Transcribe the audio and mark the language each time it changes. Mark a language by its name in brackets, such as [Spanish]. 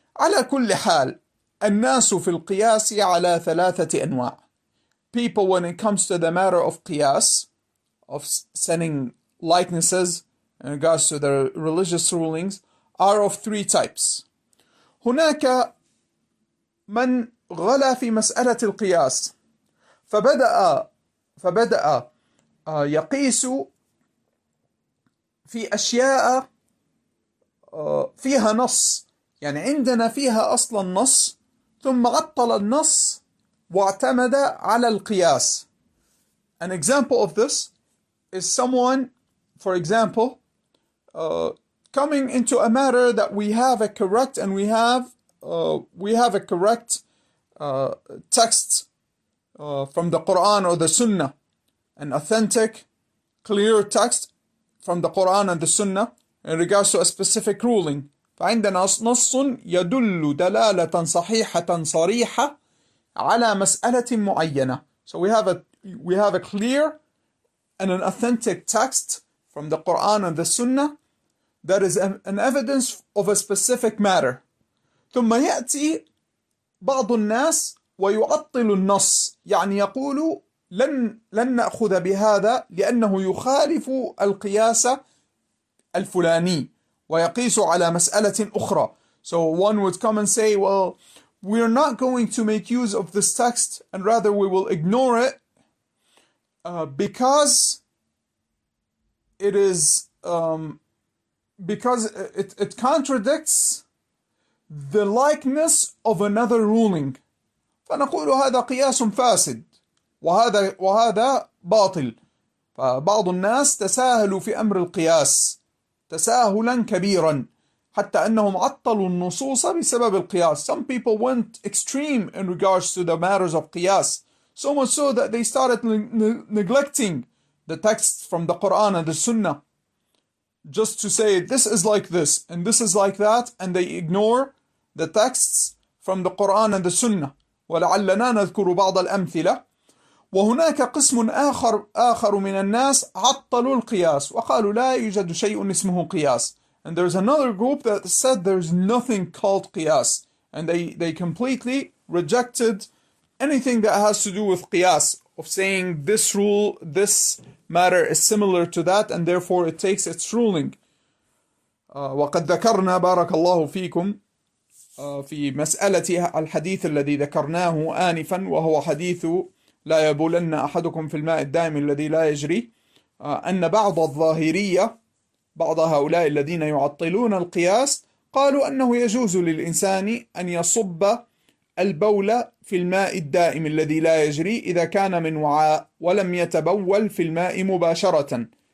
[Arabic] على كل حال الناس في القياس على ثلاثة أنواع. [English] People, when it comes to the matter of قياس, of setting likenesses in regards to their religious rulings, are of three types. [Arabic] هناك من غلا في مسألة القياس فبدأ يقيس في أشياء فيها نص، يعني عندنا فيها أصلا نص، ثم عطل النص واعتمد على القياس. [English] An example of this is someone, for example, coming into a matter that we have a correct and we have a correct text from the Quran or the Sunnah, an authentic, clear text from the Quran and the Sunnah in regards to a specific ruling. [Arabic] فعندنا نص يدل دلالة صحيحة صريحة على مسألة معينة. [English] So we have a clear and an authentic text from the Quran and the Sunnah that is an evidence of a specific matter. [Arabic] ثم يأتي بعض الناس ويعطل النص، يعني يقول لن نأخذ بهذا لأنه يخالف القياس الفلاني ويقيس على مسألة أخرى. [English] So one would come and say, well, we are not going to make use of this text and rather we will ignore it because it contradicts the likeness of another ruling. [Arabic] فنقول هذا قياس فاسد وهذا باطل. فبعض الناس تساهلوا في أمر القياس تساهلا كبيرا حتى أنهم عطلوا النصوص بسبب القياس. [English] Some people went extreme in regards to the matters of قياس, so much so that they started neglecting the text from the Quran and the Sunnah just to say this is like this and this is like that, and they ignore the texts from the Quran and the Sunnah. [Arabic] ولعلنا نذكر بعض الأمثلة. وهناك قسم آخر من الناس عطلوا القياس وقالوا لا يوجد شيء اسمه قياس. [English] And there's another group that said there's nothing called قياس, and they completely rejected anything that has to do with قياس, of saying this rule, this matter is similar to that and therefore it takes its ruling. [Arabic] وقد ذكرنا بارك الله فيكم في مسألة الحديث الذي ذكرناه آنفا وهو حديث لا يبولن أحدكم في الماء الدائم الذي لا يجري, أن بعض الظاهرية, بعض هؤلاء الذين يعطلون القياس, قالوا أنه يجوز للإنسان أن يصب البول في الماء الدائم الذي لا يجري إذا كان من وعاء ولم يتبول في الماء مباشرة.